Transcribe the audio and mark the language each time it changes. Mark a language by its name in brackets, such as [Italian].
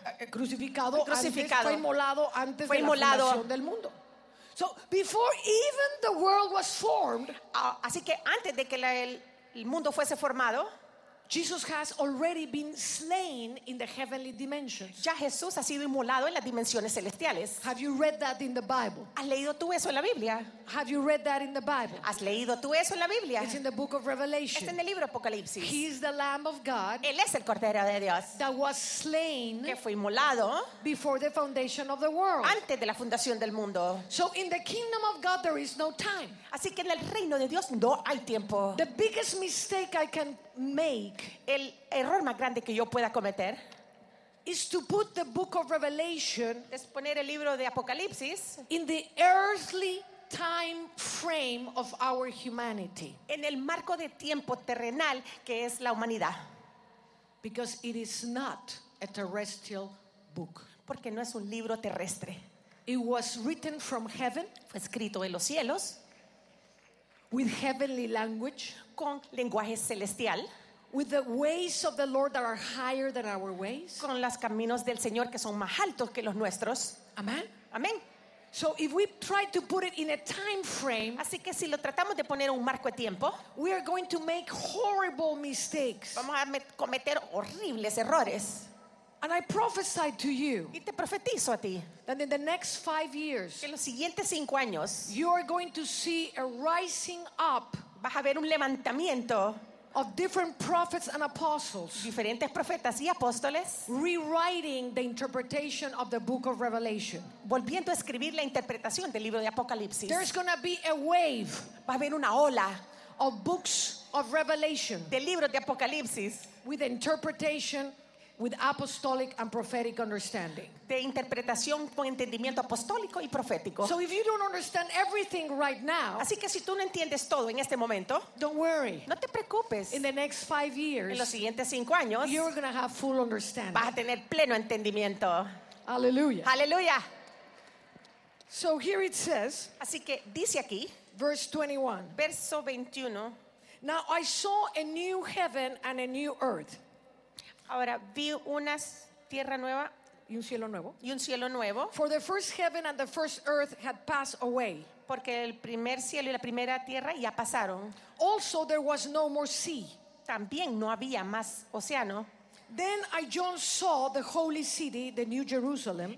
[Spanish] crucificado, antes, fue inmolado antes de la fundación del mundo. [English] So before even the world was formed, [Spanish] así que antes de que el mundo fuese formado, [English] Jesus has already been slain in the heavenly dimensions. [Spanish] Ya Jesús ha sido inmolado en las dimensiones celestiales. [English] Have you read that in the Bible? [Spanish] ¿Has leído tú eso en la Biblia? [English] Have you read that in the Bible? [Spanish] ¿Has leído tú eso en la Biblia? [English] It's in the book of Revelation. [Spanish] Está en el libro Apocalipsis. [English] He is the Lamb of God. [Spanish] Él es el Cordero de Dios. [English] That was slain. [Spanish] Que fue inmolado. [English] Before the foundation of the world. [Spanish] Antes de la fundación del mundo. [English] So in the kingdom of God there is no time. [Spanish] Así que en el reino de Dios no hay tiempo. [English] The biggest mistake I can make, [Spanish] el error más grande que yo pueda cometer, [English] is to put the book of Revelation, [Spanish] es poner el libro de Apocalipsis, [English] in the earthly time frame of our humanity, [Spanish] en el marco de tiempo terrenal que es la humanidad, [English] because it is not a terrestrial book, [Spanish] porque no es un libro terrestre. [English] It was written from heaven, [Spanish] fue escrito en los cielos, [English] with heavenly language, [Spanish] con lenguaje celestial, [English] with the ways of the Lord that are higher than our ways, [Spanish] con los caminos del Señor que son más altos que los nuestros. [English] Amen. [Spanish] Amen. [English] So if we try to put it in a time frame, [Spanish] así que si lo tratamos de poner un marco de tiempo, [English] we are going to make horrible mistakes. [Spanish] Vamos a cometer horribles errores. [English] And I prophesy to you, [Spanish] y te profetizo a ti, [English] that in the next 5 years, [Spanish] que en los siguientes 5 años, [English] you are going to see a rising up, [Spanish] vas a ver un levantamiento [English] of different prophets and apostles, [Spanish] diferentes profetas y apóstoles, [English] rewriting the interpretation of the book of Revelation, [Spanish] volviendo a escribir la interpretación del libro de Apocalipsis. [English] There's going to be a wave, [Spanish] va a haber una ola, [English] of books of Revelation, [Spanish] de libros de Apocalipsis, [English] with interpretation with apostolic and prophetic understanding, [Spanish] de interpretación con entendimiento apostólico y profético. [English] So if you don't understand everything right now, [Spanish] así que si tú no entiendes todo en este momento, [English] don't worry, [Spanish] no te preocupes. [English] In the next 5 years, [Spanish] en los siguientes 5 años, [English] you're going to have full understanding, [Spanish] vas a tener pleno entendimiento. [English] Hallelujah. [Spanish] Hallelujah. [English] So here it says, [Spanish] así que dice aquí, verso 21, [English] now I saw a new heaven and a new earth. [Spanish] Ahora vi una tierra nueva y un cielo nuevo. Y un cielo nuevo. [English] For the first heaven and the first earth had passed away. [Spanish] Porque el primer cielo y la primera tierra ya pasaron. [English] Also there was no more sea. [Spanish] También no había más océano. [English] Then I John saw the holy city, the new Jerusalem.